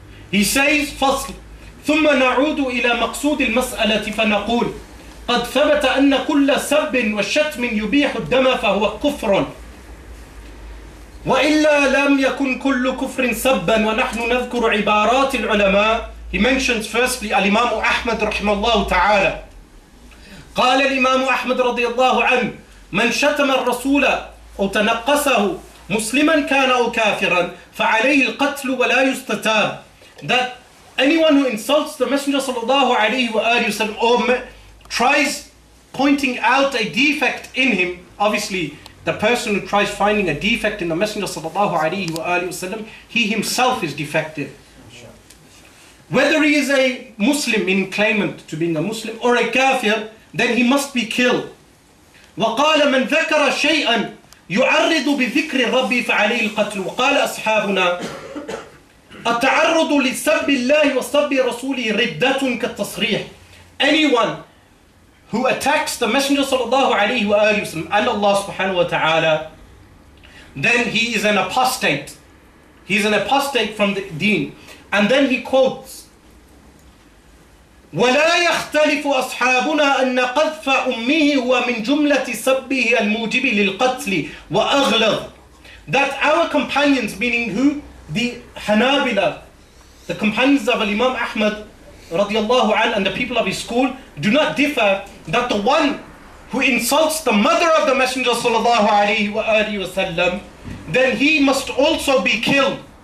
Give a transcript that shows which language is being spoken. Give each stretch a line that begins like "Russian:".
English: He says,
Arabic: فصل ثم نعود إلى مقصود المسألة فنقول قد ثبت أن كل سب وشتم يبيح الدم فهو كفر وإلا لم يكن كل كفر سبا ونحن نذكر عبارات العلماء.
English: He mentions firstly الإمام أحمد
Arabic: رحمه الله تعالى. قال الإمام أحمد رضي الله عنه من شتم الرسول أو تنقصه مسلما كان أو كافرا فعليه القتل ولا يستتاب.
English: That anyone who insults the Messenger sallallahu alayhi wa alayhi wa sallam tries pointing out a defect in him, obviously the person who tries finding a defect in the Messenger sallallahu alayhi wa alayhi wa sallam, he himself is defective. Whether he is a Muslim in claimant to being a Muslim or a kafir, then he must be killed.
Arabic: وَقَالَ مَنْ ذَكَرَ شَيْئًا يُعَرِّضُ بِذِكْرِ رَبِّي فَعَلَيْهِ الْقَتْلُ وَقَالَ أَصْحَابُنَا التعرض لسب الله وسب رسوله ردة كالتصريح.
English: Anyone who attacks the Messenger sallallahu alayhi wa sallam and Allah subhanahu wa ta'ala, then he is an apostate. He is an apostate from the deen. And then he quotes,
Arabic: وَلَا يَخْتَلِفُ أَصْحَابُنَا أَنَّ قَذْفَ أُمِّهِ هُوَ مِنْ جُمْلَةِ سَبِّهِ الْمُوجِبِ لِلْقَتْلِ وَأَغْلَظُ.
English: That our companions, meaning who? The Hanabila, the companions of Imam Ahmad radiallahu an, and the people of his school, do not differ that the one who insults the mother of the Messenger sallallahu alayhi wa alayhi wa sallam, then he must also be killed.